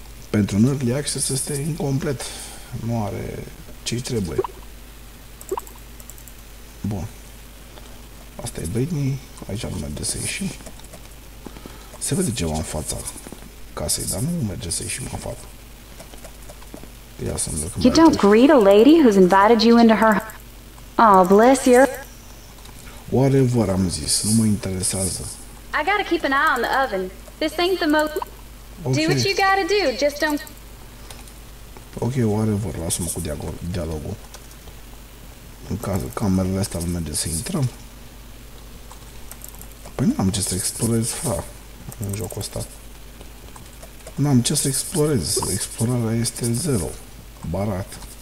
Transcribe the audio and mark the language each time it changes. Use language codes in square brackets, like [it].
[ro] Pentru un early access este incomplet. Nu are ce-i trebuie. Bun. Asta e Britney. Aici nu merge să ieși. Se vede ceva în fața casei, dar nu merge să ieși în fața. Ia să-mi duc. [en] You don't greet a lady who's invited you into her... Oh, bless you. [ro] Whatever, am zis, nu mă interesează. [en] I gotta keep an eye on the oven. This ain't the most... Okay. Do what you gotta do, just don't... [ro] Ok, whatever, lasă-mă cu dialogul. În cazul camerele astea nu merge să intrăm. Păi n-am ce să explorez, fra, în jocul ăsta. N-am ce să explorez, explorarea este zero, barat.